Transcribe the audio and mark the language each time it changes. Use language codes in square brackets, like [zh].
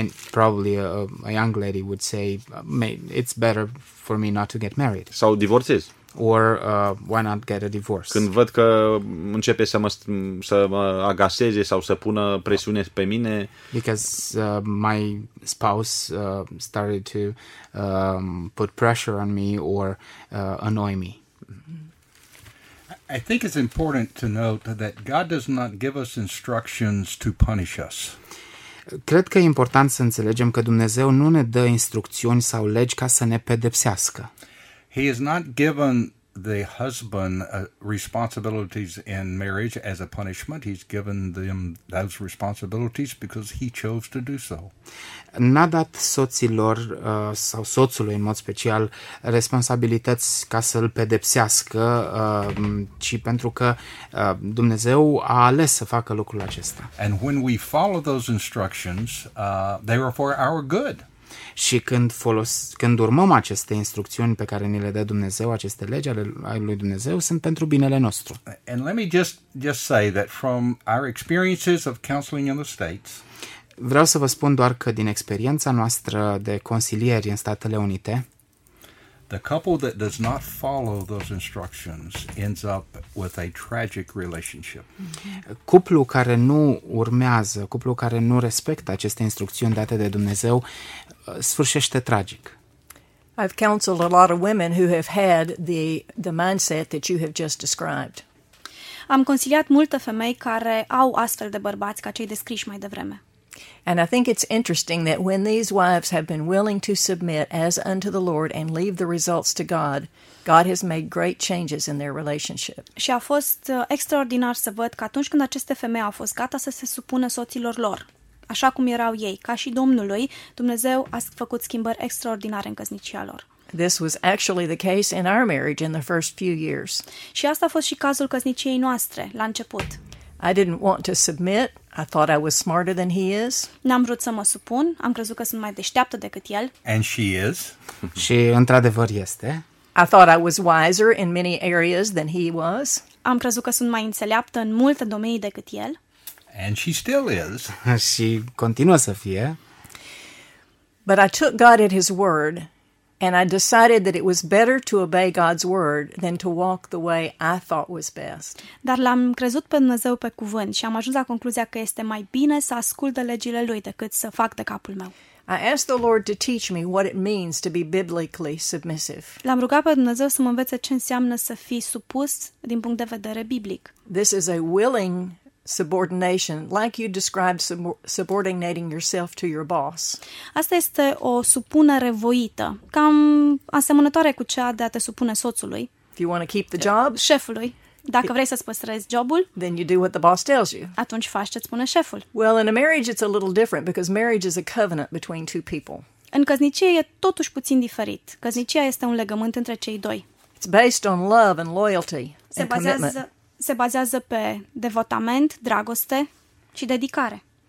[en] Probably a young lady would say, it's better for me not to get married. [ro] Sau divorțez. [en] Or why not get a divorce? [ro] Când văd că începe să mă agaseze sau să pună presiune pe mine. [en] Because my spouse started to put pressure on me or annoy me. I think it's important to note that God does not give us instructions to punish us. [ro] Cred că e important să înțelegem că Dumnezeu nu ne dă instrucțiuni sau legi ca să ne pedepsească. [en] He has not given the husband responsibilities in marriage as a punishment. He's given them those responsibilities because he chose to do so. [ro] N-a dat soților sau soțului în mod special responsabilități ca să îl pedepsească, ci pentru că Dumnezeu a ales să facă lucrul acesta. [en] And when we follow those instructions, they are for our good. [ro] Și când urmăm aceste instrucțiuni pe care ni le dă Dumnezeu, aceste legi ale lui Dumnezeu, sunt pentru binele nostru. [en] And let me just say that from our experiences of counseling in the States. [ro] Vreau să vă spun doar că din experiența noastră de consilieri în Statele Unite, [en] the couple that does not follow those instructions ends up with a tragic relationship. [ro] Cuplul care nu urmează, cuplul care nu respectă aceste instrucțiuni date de Dumnezeu, sfârșește tragic. [en] I've counseled a lot of women who have had the mindset that you have just described. [ro] Am consiliat multe femei care au astfel de bărbați ca cei descriși mai devreme. [en] And I think it's interesting that when these wives have been willing to submit as unto the Lord and leave the results to God, God has made great changes in their relationship. [ro] Și a fost extraordinar să văd că atunci când aceste femei au fost gata să se supună soților lor, așa cum erau ei, ca și Domnului, Dumnezeu a făcut schimbări extraordinare în căsnicia lor. [en] This was actually the case in our marriage in the first few years. [ro] Și asta a fost și cazul căsniciei noastre la început. [en] I didn't want to submit. I thought I was smarter than he is. [ro] N-am vrut să mă supun. Am crezut că sunt mai deșteaptă decât el. [en] And she is. [ro] Și într-adevăr este. [en] I thought I was wiser in many areas than he was. [ro] Am crezut că sunt mai înțeleaptă în multe domenii decât el. [en] And she still is. [ro] Și continuă să fie. [en] But I took God at his word. And I decided that it was better to obey God's word than to walk the way I thought was best. [ro] Dar l-am crezut pe Dumnezeu pe cuvânt și am ajuns la concluzia că este mai bine să ascult de legile lui decât să fac de capul meu. [en] I asked the Lord to teach me what it means to be biblically submissive. [ro] L-am rugat pe Dumnezeu să mă învețe ce înseamnă să fii supus din punct de vedere biblic. [en] This is a willing subordination, like you described subordinating yourself to your boss. [ro] Asta este o supunere voită, cam asemănătoare cu cea de a te supune soțului. [en] If you want to keep the job, [ro] șefului, dacă vrei să-ți păstrezi jobul, [en] then you do what the boss tells you. [ro] Atunci faci ce-ți spune șeful. [en] Well, in a marriage it's a little different because marriage is a covenant between two people. [ro] În căsnicie e totuși puțin diferit. Căsnicia este un legământ între cei doi. [en] It's based on love and loyalty and commitment. [ro] Se bazează pe devotament, dragoste și dedicare.